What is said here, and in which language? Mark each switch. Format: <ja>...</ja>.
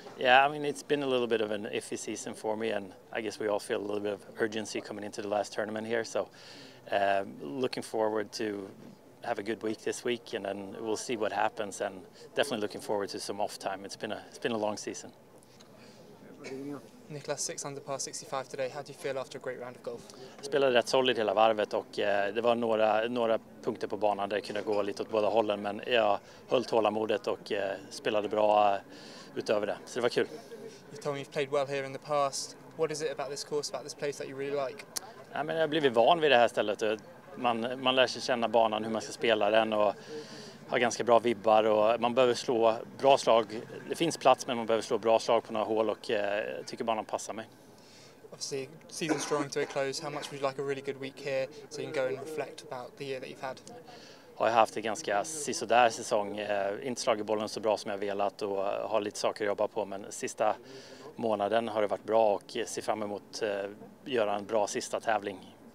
<en>Yeah, I mean, it's been a little bit of an iffy season for me, and I guess we all feel a little bit of urgency coming into the last tournament here. So looking forward to have a good week this week, and then we'll see what happens, and definitely looking forward to some off time. It's been a long season. Niklas, 6 under par 65 today. How do you feel after a great round of golf?</en> <sv>Jag spelade rätt solid hela varvet och det var några punkter på banan där jag kunde gå lite åt båda hållen, men jag höll tålamodet och spelade bra utöver det. Så det var kul.</sv> <en>You told me you've played well here in the past. What is it about this course, about this place that you really like?</en> <sv>Ja, men jag har blivit van vid det här stället. Man lär sig känna banan, hur man ska spela den och har ganska bra vibbar och man behöver slå bra slag. Det finns plats, men man behöver slå bra slag på några hål och tycker banan passar mig.</sv> <en>Obviously, season's drawing to a close. How much would you like a really good week here so you can go and reflect about the year that you've had?</en> <sv>Har jag haft en ganska sisådär säsong. Inte slagit bollen så bra som jag velat och har lite saker att jobba på, men sista månaden har det varit bra och ser fram emot göra en bra sista tävling.</sv>